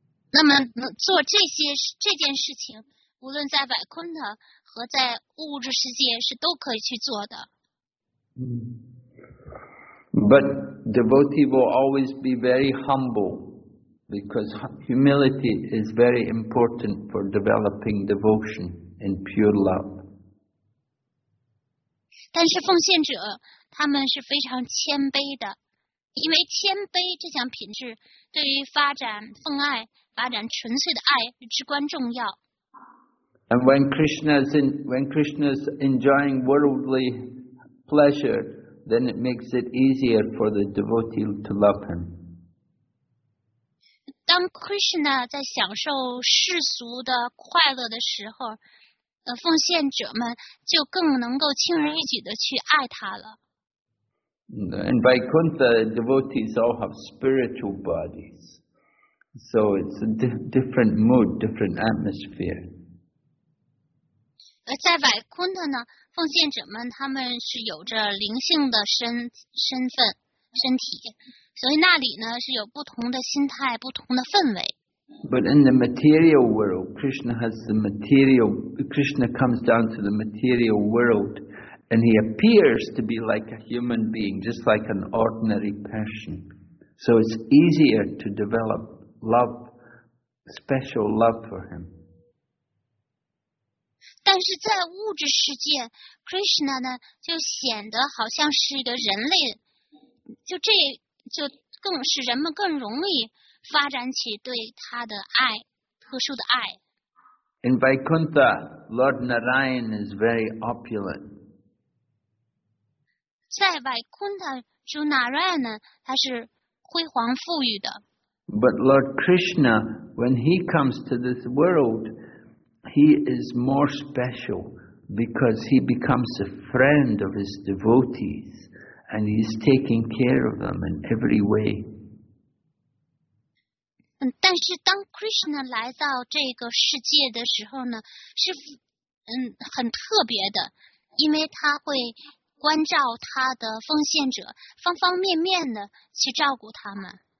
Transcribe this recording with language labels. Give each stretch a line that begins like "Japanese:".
Chinese: 那么做这件事情，无论在 Vaikuntha 和在物质世界是都可以去做的。
English: But devotee will always be very humble because humility is very important for developing devotion in pure love.
Chinese: 但是奉献者他们是非常谦卑的，因为谦卑这项品质对于发展奉爱、发展纯粹的爱至关重要。
English: And when Krishna is enjoying worldly pleasure, then it makes it easier for the devotee to love him.
Chinese: 当 Krishna 在享受世俗的快乐的时候，奉献者们就更能够轻而易举的去爱他了。
English: In Vaikuntha, devotees all have spiritual bodies, so it's a different mood, different atmosphere.
Chinese: 在 Vaikuntha 呢，奉献者们他们是有着灵性的身体，所以那里呢是有不同的心态、不同的氛围。
English: But in the material world, Krishna has the material. Krishna comes down to the material world, and he appears to be like a human being, just like an ordinary person. So it's easier to develop love, special love for him.
Chinese: 但是在物质世界 ，Krishna 呢就显得好像是一个人类，就这就更使人们更容易发展起对他的爱，特殊的爱。
English: In Vaikuntha, Lord Narayan is very opulent.
Chinese: 在 Vaikuntha, Lord Narayan 呢，他是辉煌富裕的。
English: But Lord Krishna, when he comes to this world,He is more special because he becomes a friend of his devotees and he's taking care of them in every way.
Chinese: 但是当 Krishna 来到这个世界的时候呢，是很特别的，因为他会关照他的奉献者，方方面面的去照顾他们。